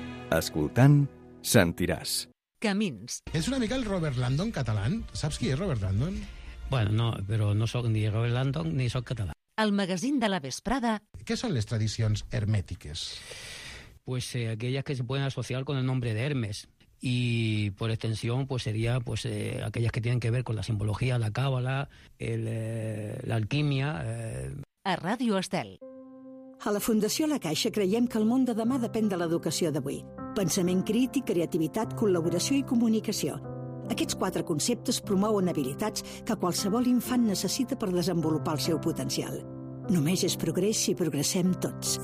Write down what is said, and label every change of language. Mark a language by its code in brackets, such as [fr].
[ca] Escoltant, sentiràs. Camins. És una mica el Robert Landon català. Saps qui és Robert Landon? Bueno, no, però no sóc ni Robert Landon ni sóc català. El magazín de la vesprada. Què són les tradicions hermètiques? [es] Pues aquelles que se pueden asociar con el nombre de Hermes. Y por extensión, pues sería pues aquellas que tienen que ver con la simbología, la cábala, la alquimia. [ca] A Ràdio Estel. A la Fundació La Caixa creiem que el món de demà depèn de l'educació d'avui. Pensament crític, creativitat, col·laboració i comunicació. Aquests quatre conceptes promouen habilitats que qualsevol infant necessita per desenvolupar el seu potencial. Només és progrés si progressem tots.